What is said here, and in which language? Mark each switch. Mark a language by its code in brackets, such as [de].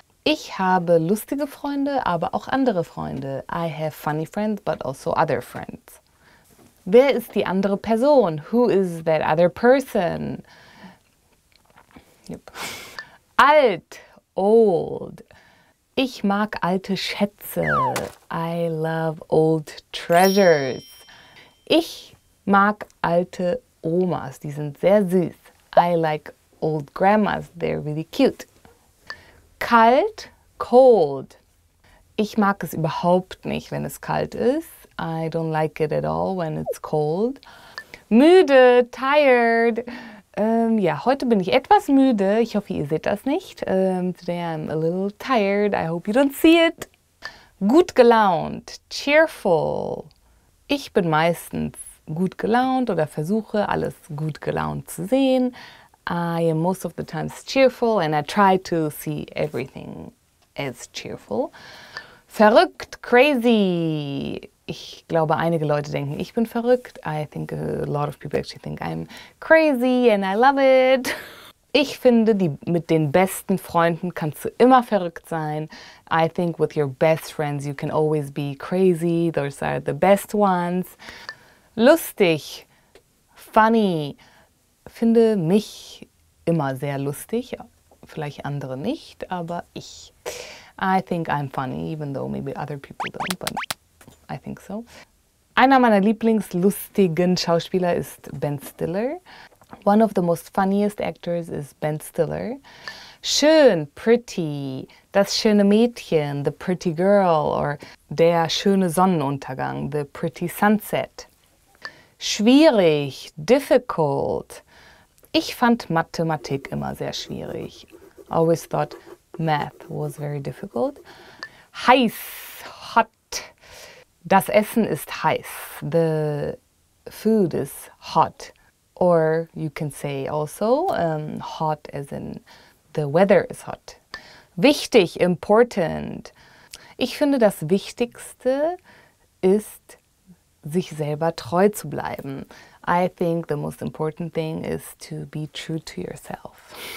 [de] Ich habe lustige Freunde, aber auch andere Freunde. [en] I have funny friends, but also other friends. [de] Wer ist die andere Person? [en] Who is that other person? Yep. [de] Alt, old. Ich mag alte Schätze. [en] I love old treasures. [de] Ich mag alte Omas, die sind sehr süß. [en] I like old grandmas, they're really cute. Kalt, cold. [de] Ich mag es überhaupt nicht, wenn es kalt ist. [en] I don't like it at all when it's cold. Müde, tired. [de] Ja, heute bin ich etwas müde. Ich hoffe, ihr seht das nicht. [en] Today I'm a little tired. I hope you don't see it. [de] Gut gelaunt. Cheerful. Ich bin meistens gut gelaunt oder versuche, alles gut gelaunt zu sehen. [en] I am most of the times cheerful and I try to see everything as cheerful. [de] Verrückt, crazy. Ich glaube, einige Leute denken, ich bin verrückt. [en] I think a lot of people actually think I'm crazy and I love it. [de] Ich finde, mit den besten Freunden kannst du immer verrückt sein. [en] I think with your best friends you can always be crazy. Those are the best ones. Lustig, funny. [de] Finde mich immer sehr lustig. Vielleicht andere nicht, aber ich. [en] I think I'm funny, even though maybe other people don't, but I think so. [de] Einer meiner lieblingslustigen Schauspieler ist Ben Stiller. [en] One of the most funniest actors is Ben Stiller. Schön, pretty, [de] das schöne Mädchen, [en] the pretty girl, or [de] der schöne Sonnenuntergang, [en] the pretty sunset. [de] Schwierig, difficult. Ich fand Mathematik immer sehr schwierig. [en] Always thought math was very difficult. Heiß, hot. [de] Das Essen ist heiß. [en] The food is hot. Or you can say also hot as in the weather is hot. [de] Wichtig, important. Ich finde, das Wichtigste ist, sich selber treu zu bleiben. [en] I think the most important thing is to be true to yourself.